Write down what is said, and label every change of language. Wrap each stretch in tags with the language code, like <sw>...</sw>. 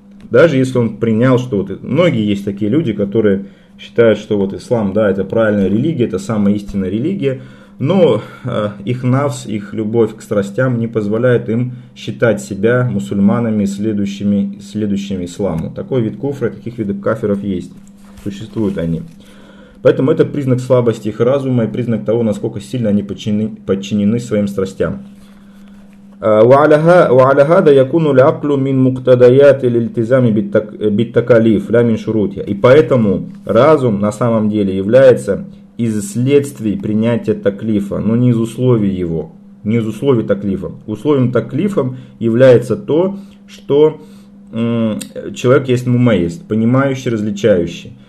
<ru>Даже если он принял, что вот многие есть такие люди, которые считают, что вот ислам, да, это правильная религия, это самая истинная религия, но их нафс, их любовь к страстям не позволяет им считать себя мусульманами, следующими исламу. Такой вид куфра, таких видов кафиров есть, существуют они. Поэтому это признак слабости их разума и признак того, насколько сильно они подчинены своим страстям.</ru> <ar>وعلى هذا يكون العقل من مقتضيات الالتزام بالتكاليف لا من شروطها.</ar> <ru>И поэтому разум на самом деле является из следствий принятия таклифа, но не из условий его, не из условий таклифа. Условием таклифа является то, что человек есть мумаист, понимающий, различающий.</ru>